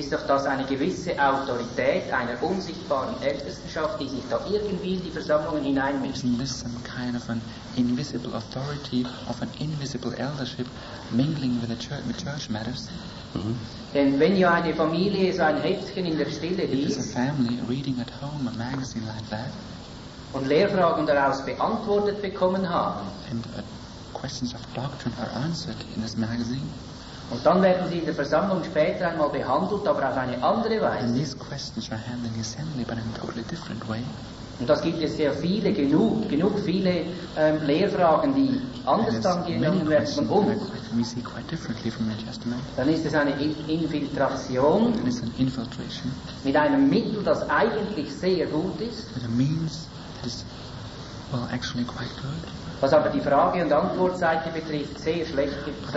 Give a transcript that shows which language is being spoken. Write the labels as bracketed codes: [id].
[de] Ist doch das eine gewisse Autorität einer unsichtbaren Ältestenschaft, die sich da irgendwie in die Versammlungen hineinmischt? [en] Isn't this some kind of an invisible authority of an invisible eldership mingling with church matters? [de] Denn wenn ja eine Familie so ein Heftchen in der Stille liest, [en] if a family reading at home a magazine like that, [de] und Lehrfragen daraus beantwortet bekommen haben, [en] questions of doctrine are answered in this magazine. [de] Und dann werden sie in der Versammlung später einmal behandelt, aber auf eine andere Weise. [en] And these questions are handled in the assembly, but in a totally different way. [de] Und das gibt es sehr viele, genug viele Lehrfragen, die anders angenommen werden von uns. [en] We see quite differently from the Testament. [de] Dann ist es eine Infiltration. [en] And it's an infiltration. [de] Mit einem Mittel, das eigentlich sehr gut ist. [en] With a means that is, well, actually quite good. [de] Was aber die Frage- und Antwortseite betrifft, sehr schlecht gibt es